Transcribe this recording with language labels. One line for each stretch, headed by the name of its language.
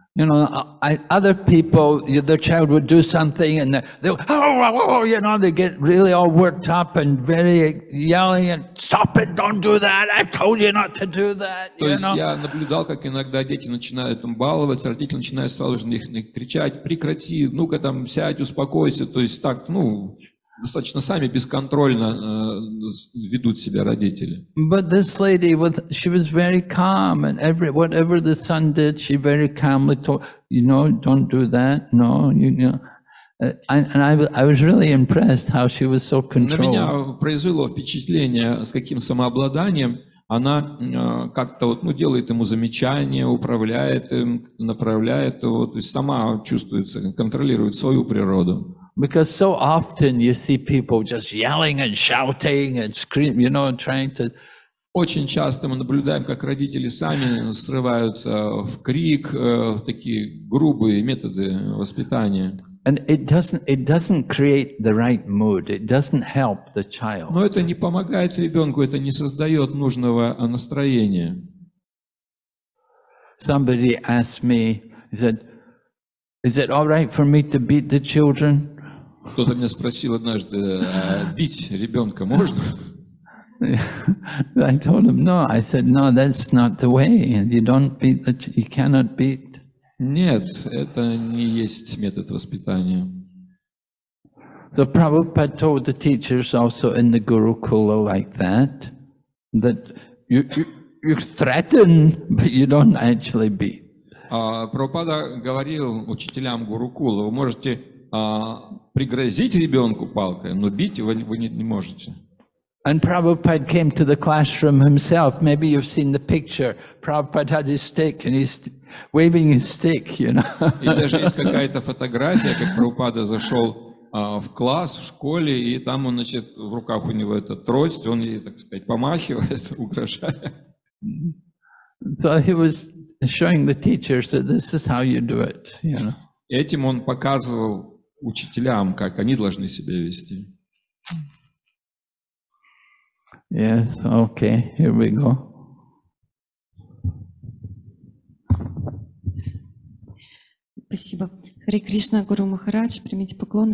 English: You know, other people, their child would do something and they get really all worked up and very yelling and stop it, don't do that, I told you not to do that, you know.
Russian: То есть я наблюдал, как иногда дети начинают баловаться, родители начинают сразу же на них кричать, прекрати, ну-ка там сядь, успокойся, то есть так, ну, достаточно сами бесконтрольно ведут себя родители.
English: But this lady she was very calm and whatever the son did, she very calmly told, you know, don't do that, no, you know. And I was really impressed how she was so controlled.
Russian: На меня произвело впечатление, с каким самообладанием она как-то вот, ну, делает ему замечания, управляет им, направляет его, то есть сама чувствуется, контролирует свою природу.
English: Because so often you see people just yelling and shouting and screaming, you know, trying to.
Russian: Очень часто мы наблюдаем, как родители сами срываются в крик, в такие грубые методы воспитания.
English: And it doesn't create the right mood. It doesn't help the child.
Russian: Но это не помогает ребенку, это не создает нужного настроения.
English: Somebody asked me, he said, "Is it all right for me to beat the children?"
Russian: Кто-то меня спросил однажды, бить ребенка можно?
English: I told him no. I said no, that's not the way. You don't beat the child. You cannot beat.
Russian: Нет, это не есть метод воспитания.
English: So Prabhupada told the teachers also in the Gurukula like that you threaten, but you don't actually beat.
Russian: Прабхупада говорил учителям Гурукула, вы можете пригрозить ребенку палкой, но бить его вы не можете.
English: And Prabhupada came to the classroom himself. Maybe you've seen the picture. Prabhupada had his stick and he's waving his stick, you know.
Russian: И даже есть какая-то фотография, как Прабхупада зашел в класс, в школе, и там он, значит, в руках у него эта трость, он ей, так сказать, помахивает, угрожает.
English: So he was showing the teachers that this is how you do it, you know.
Russian: Этим он показывал учителям, как они должны себя вести.
English: Yes, okay, here we go.
Russian: Спасибо. Харе Кришна, Гуру Махарадж, примите поклон.